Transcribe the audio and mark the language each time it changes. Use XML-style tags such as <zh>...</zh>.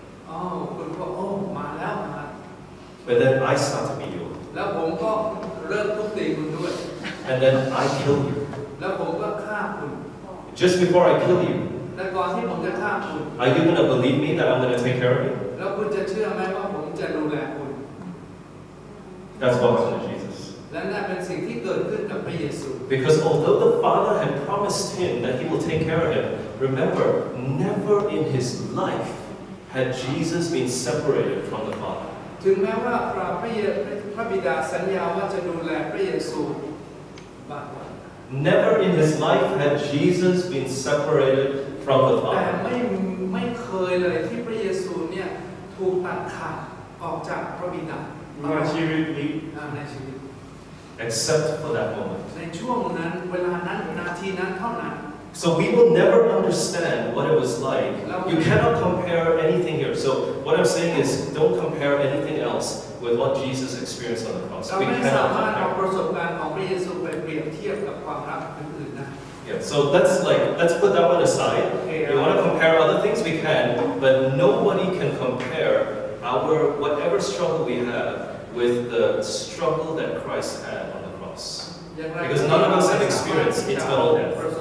<th>Oh, คุณก็โอ้มาแล้วมา</th> <en>But then I start to beat you.</en> <th>แล้วผมก็เริ่มทุบตีคุณด้วย</th> <en>And then I kill you.</en> <th>แล้วผมก็ฆ่าคุณ</th> <en>Just before I kill you.</en> <th>แล้วก่อนที่ผมจะฆ่าคุณ</th> <en>Are you gonna believe me that I'm gonna take care of you?</en> <th>แล้วคุณจะเชื่อไหมว่าผมจะดูแลคุณ</th> <en>That's what happened to Jesus.</en> <th>และนั่นเป็นสิ่งที่เกิดขึ้นกับพระเยซู</th> <en>Because although the Father had promised him that he will take care of him, remember, never in his life had Jesus been separated from the Father.</en> <th>ถึงแม้ว่าพระบิดาสัญญาว่าจะดูแลพระเยซู</th> <en>Never in his life had Jesus been separated from the Father.</en> <th>แต่ไม่เคยเลยที่พระเยซูเนี่ยถูกตัดขาดออกจากพระบิดา ในชีวิตนี้ในชีวิต</th> <en>except for that moment</en> <th>ในช่วงนั้นเวลานั้นนาทีนั้นเท่านั้น</th> <en>so we will never understand what it was like you cannot compare anything here so what I'm saying is don't compare anything else with what Jesus experienced on the cross we cannot compare</en> <th>เอาประสบการณ์ของพระเยซูไปเปรียบเทียบกับความรักอื่นๆนะ</th> <en>yeah so let's put that one aside you want to compare other things we can but nobody can compare our whatever struggle we haveWith the struggle that Christ had on the cross, because none of us have experienced eternal death.</en>